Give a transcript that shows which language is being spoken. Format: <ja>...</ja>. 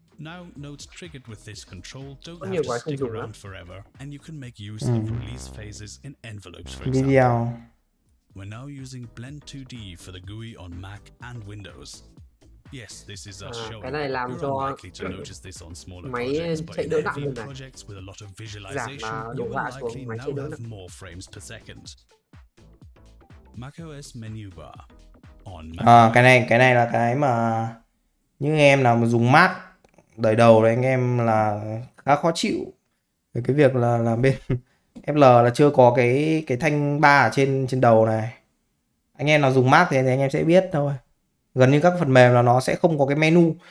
<en>Now nodes triggered with this control don't have to stick around forever, and you can make use of release phases in envelopes, for example. We're now using Blend 2D for the GUI on Mac and Windows. Yes, this is us showing.</en> <vi>Cái này làm cho máy chạy đỡ nặng hơn này.</vi> <en>Projects with a lot of visualization, you will likely now have more frames per second. macOS menu bar.</en> <vi>Cái này là cái mà những em nào mà dùng Mac đời đầu đấy, anh em là khá khó chịu về cái việc là bên FL là chưa có cái thanh ba ở trên đầu này. Anh em nào dùng Mac thì anh em sẽ biết thôi. Gần như các phần mềm là nó sẽ không có cái menu.</vi>